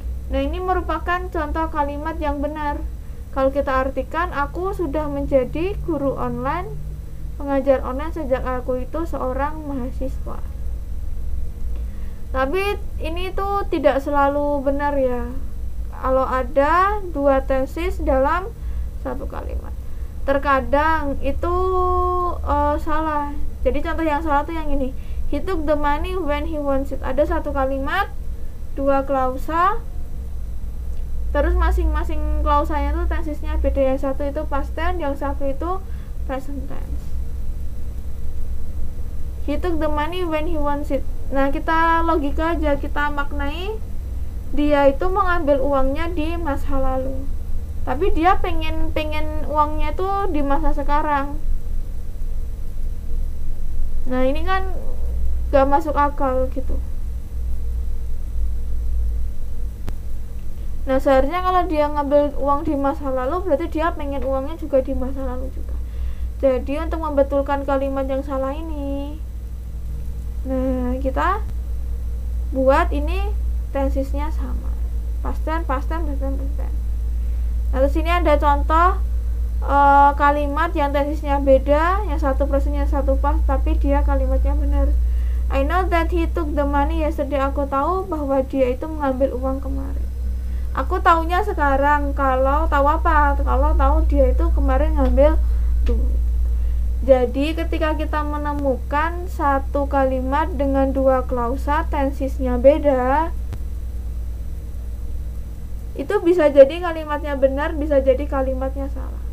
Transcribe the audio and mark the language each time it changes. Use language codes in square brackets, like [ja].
[id] Nah, ini merupakan contoh kalimat yang benar. Kalau kita artikan, aku sudah menjadi guru online, pengajar online sejak aku itu seorang mahasiswa. Tapi ini tuh tidak selalu benar ya. Kalau ada dua tenses dalam satu kalimat, terkadang itu salah. Jadi contoh yang salah tuh yang ini. [en] He took the money when he wants it. [id] Ada satu kalimat, dua klausa. Terus masing-masing klausanya tuh tensisnya beda, yang satu itu past tense, yang satu itu present tense. [en] He took the money when he wants it. [id] Nah, kita logika aja, kita maknai dia itu mengambil uangnya di masa lalu. Tapi dia pengen uangnya itu di masa sekarang. Nah, ini kan gak masuk akal gitu. Nah, seharusnya kalau dia ngambil uang di masa lalu, berarti dia pengen uangnya juga di masa lalu juga. Jadi, untuk membetulkan kalimat yang salah ini, nah, kita buat ini tensisnya sama. Past tense. Nah, terus ini ada contoh kalimat yang tensisnya beda, yang satu present, yang satu past, tapi dia kalimatnya benar. [en] I know that he took the money yesterday. [id] Aku tahu bahwa dia itu mengambil uang kemarin. Aku taunya sekarang, kalau tahu apa? Kalau tahu dia itu kemarin ngambil duit. Jadi ketika kita menemukan satu kalimat dengan dua klausa tensisnya beda, itu bisa jadi kalimatnya benar, bisa jadi kalimatnya salah.